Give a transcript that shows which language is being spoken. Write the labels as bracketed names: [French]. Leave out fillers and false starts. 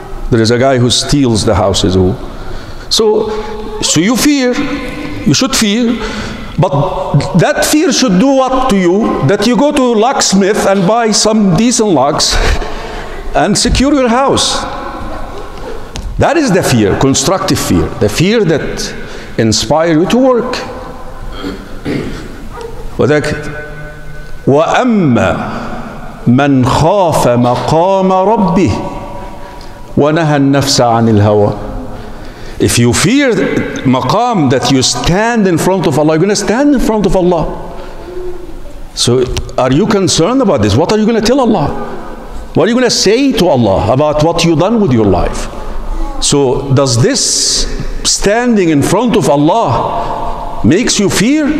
[English] There is a guy who steals the houses. So you fear, you should fear, but that fear should do what to you? That you go to locksmith and buy some decent locks and secure your house. That is the fear, constructive fear, the fear that inspires you to work. [Arabic] وذلك وأما من خاف مقام ربه ونهى النفس عن الهوى. [English] If you fear maqam, that you stand in front of Allah, you're going to stand in front of Allah. So are you concerned about this? What are you going to tell Allah? What are you going to say to Allah about what you've done with your life? So does this standing in front of Allah makes you fear?